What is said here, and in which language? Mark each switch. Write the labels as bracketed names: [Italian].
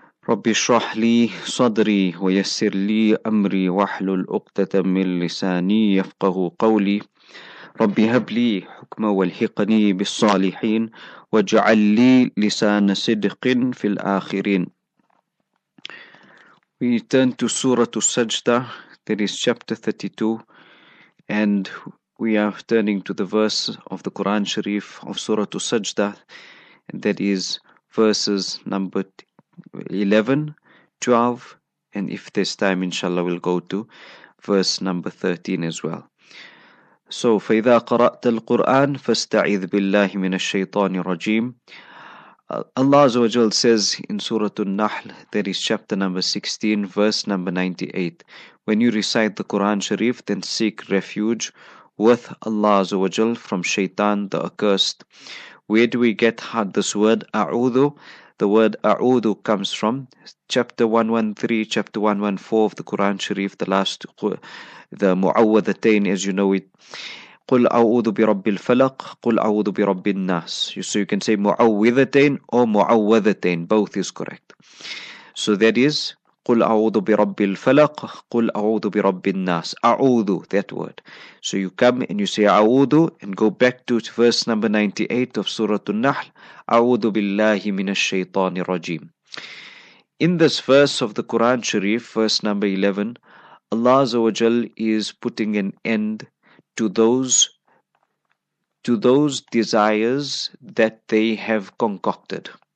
[Arabic] رب اشرح لي صدري ويسر لي أمري واحلل عقدة من لساني يفقه قولي. رب هب لي حكما والحقني بالصالحين واجعل لي لسان صدق في الآخرين. [English] We turn to Surah Al-Sajdah, that is chapter 32, and we are turning to the verse of the Quran Sharif of Surah Al-Sajdah, that is verses number 11, 12, and if there's time, inshallah, we'll go to verse number 13 as well. [Arabic] So, فَإِذَا قَرَأْتَ الْقُرْآنَ فَاسْتَعِذْ بِاللَّهِ مِنَ الشَّيْطَانِ الرَّجِيمِ. [English] Allah Azza wa Jal says in Surah An-Nahl, that is chapter number 16, verse number 98, when you recite the Quran Sharif, then seek refuge with Allah Azza wa Jal from Shaitan the accursed. Where do we get this word A'udhu? The word A'udhu comes from chapter 113, chapter 114 of the Quran Sharif, the Mu'awwadhatayn, as you know it. [Arabic] قُلْ أَعُوذُ بِرَبِّ الْفَلَقِ قُلْ أَعُوذُ بِرَبِّ النَّاسِ. [English] So you can say مُعَوِّذَتَيْن or مُعَوَّذَتَيْن. Both is correct. So that is [Arabic] قُلْ أَعُوذُ بِرَبِّ الْفَلَقِ قُلْ أَعُوذُ بِرَبِّ النَّاسِ. [English] أَعُوذُ, that word. So you come and you say أَعُوذُ and go back to verse number 98 of Surah An-Nahl. [Arabic] أَعُوذُ بِاللَّهِ مِنَ الشَّيْطَانِ الرَّجِيمِ. [English] In this verse of the Quran Sharif, verse number 11, Allah Azza wa Jal is putting an end to those desires that they have concocted.